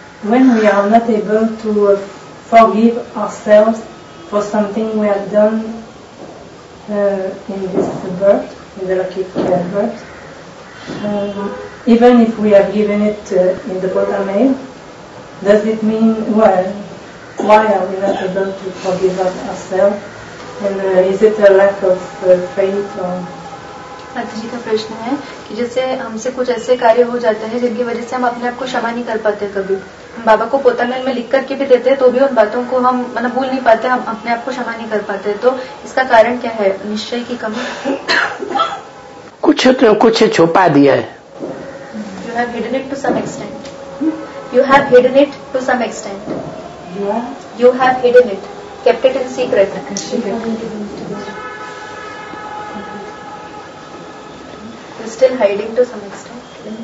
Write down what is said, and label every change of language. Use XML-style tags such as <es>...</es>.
<en>When we are not able to forgive ourselves for something we have done in this birth, in the lucky birth, even if we have given it in the Buddha name, does it mean, well, why are we not able to forgive ourselves? And is it a lack of faith or...</en> <hi>अर्थजी का प्रश्न है कि जैसे हमसे कुछ ऐसे कार्य हो जाते हैं जिनकी वजह से हम अपने आप को क्षमा नहीं कर पाते कभी. हम बाबा को पोता मेल में लिख करके भी देते हैं तो भी उन बातों को हम मतलब भूल नहीं पाते, हम अपने आप को क्षमा नहीं कर पाते. तो इसका कारण क्या है? निश्चय की कमी. कुछ छुपा दिया है.</hi> <en>You have hidden it to some extent. You have hidden it to some extent. You have hidden it, kept it in secret. Still hiding to some extent.</en>